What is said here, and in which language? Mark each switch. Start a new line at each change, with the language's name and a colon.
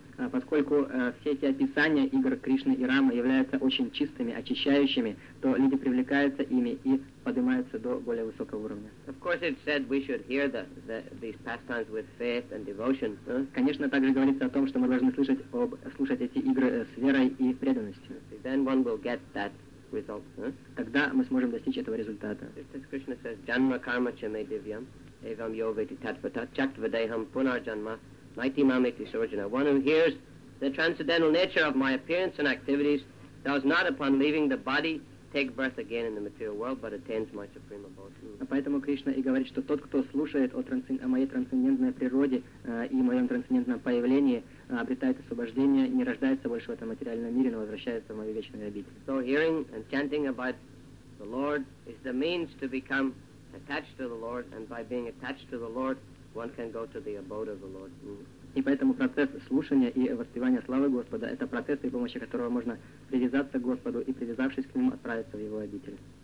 Russian: Поскольку все эти описания игр Кришны и Рамы являются очень чистыми, очищающими, то люди привлекаются ими и поднимаются до более высокого уровня.
English: Of course, it said we should hear these pastimes with faith and devotion.
Russian: Конечно, также говорится о том, что мы должны слушать эти игры с верой и преданностью.
English: Then one will get that result.
Russian: Тогда мы сможем достичь этого результата.
English: As Krishna says,
Sanskrit: "Janma karma cha me divyam, evam yo veti tatvata chaktvadeham punar janma."
English: One who hears the transcendental nature of my appearance and activities does not, upon leaving the body, take birth again in the material world, but attains my supreme abode.
Russian: А поэтому Кришна и говорит, что тот, кто слушает о моей трансцендентной природе и моем трансцендентном появлении, обретает освобождение, не рождается больше в этом материальном мире, но возвращается в мою вечную обитель.
English: So hearing and chanting about the Lord is the means to become attached to the Lord, and by being attached to the Lord, one can go to the abode of the Lord.
Russian: И поэтому процесс слушания и воспевания славы Господа — это процесс, при помощи которого можно привязаться к Господу и, привязавшись к Нему, отправиться в Его обитель.